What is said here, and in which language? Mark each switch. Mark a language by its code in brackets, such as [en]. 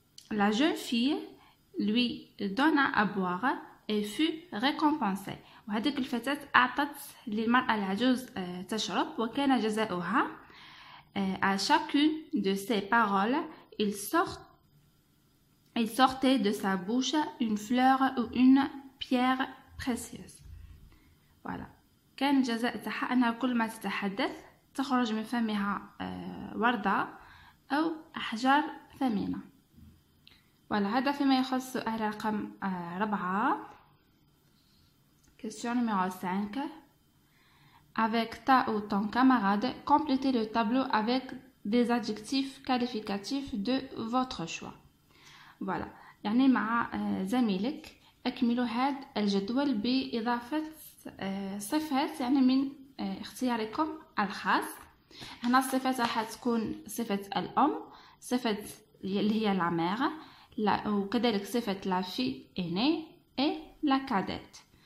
[fr] La jeune fille lui donna à boire et fut récompensée. [ar] وهذيك الفتاة أعطت للمرأة العجوز تشرب وكان جزاؤها. [fr] À chacune de ses paroles, il sortait de sa bouche une fleur ou une pierre précieuse. Voilà. [ar] كان الجزاء تاعها أنها كل ما تتحدث تخرج من فمها وردة أو أحجار ثمينة. voilà. هذا فيما يخص سؤال رقم 4. [fr] Question numéro 5. Avec ta ou ton camarade, complétez le tableau avec des adjectifs qualificatifs de votre choix. Voilà. [ar] يعني مع زميلك اكملوا هذا الجدول بإضافة صفات يعني من اختياركم الخاص. هنا الصفات راح تكون صفة الأم، صفة اللي هي لا مير، وكذلك صفة لا في إني و لا كادات.